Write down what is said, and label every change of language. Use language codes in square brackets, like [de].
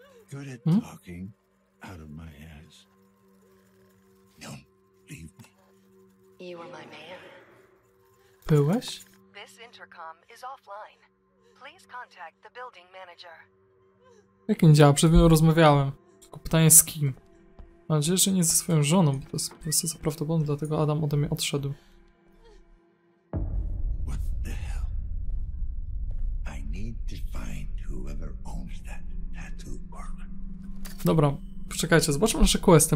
[en] Good at talking out of my ass. Don't leave me. You are my man. [pl] Byłeś? [en] This intercom is offline. Please contact the building manager. [pl] Jak nie działa? Przed chwilą rozmawiałem. Tylko pytanie z kim? Mam nadzieję, że nie ze swoją żoną, bo to jest za prawdopodobne, dlatego Adam ode mnie odszedł. [en] What the hell? I need to find whoever owns that tattoo parlor. [pl] Dobra, poczekajcie, zobaczmy nasze questy.